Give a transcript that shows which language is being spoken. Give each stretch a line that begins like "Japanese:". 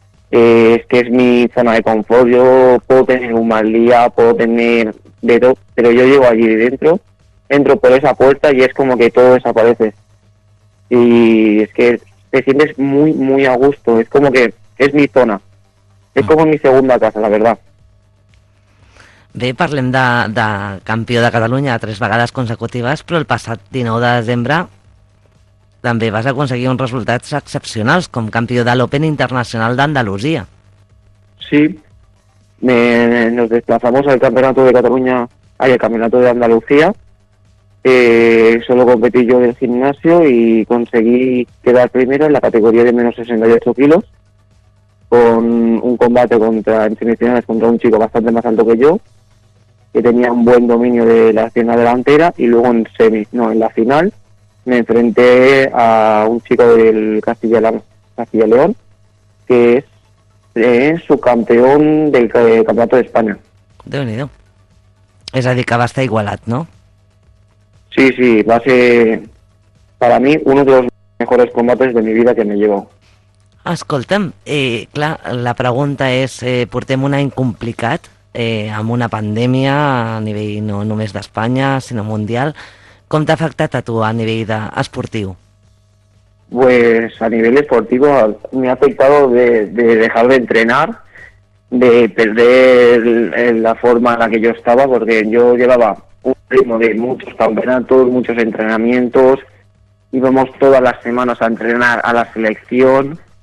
Spanish: Es que es mi zona de confort. Yo puedo tener un mal día, puedo tener de todo, pero yo llego allí dentro, entro por esa puerta y es como que todo desaparece. Y es que te sientes muy, muy a gusto. Es como que es mi zona. Es como mi segunda casa, la verdad.
Catalan: Bé, parlem de campió de Catalunya 3 vegades consecutives, però el passat 19 de desembre també vas aconseguir uns resultats excepcionals com campió de l'Open Internacional d'Andalusia.
Spanish: Sí, nos desplazamos al Campeonato de Cataluña, al Campeonato de Andalucía. Solo competí yo del gimnasio y conseguí quedar primero en la categoría de menos 68 kilos con un combate en semifinales contra un chico bastante más alto que yo, que tenía un buen dominio de la pierna delantera, y luego en la final me enfrenté a un chico del Castilla-León, que es subcampeón del Campeonato de España.
Catalan: Déu-n'hi-do. És a dir, que va estar igualat, no?
Spanish: Sí, sí,
Catalan: va ser,
Spanish: para mí, uno de los mejores combates de mi vida que me llevo.
Catalan: Escolta'm, clar, la pregunta és, portem un any complicat, amb una pandèmia a nivell no només d'Espanya, sinó mundial.
Spanish: ¿Cómo te ha afectado a tu a nivel esportivo? Pues a nivel esportivo me ha afectado de dejar de entrenar, de perder la forma en la que yo estaba, porque yo llevaba un ritmo de muchos campeonatos, muchos entrenamientos, íbamos todas las semanas a entrenar a la selección.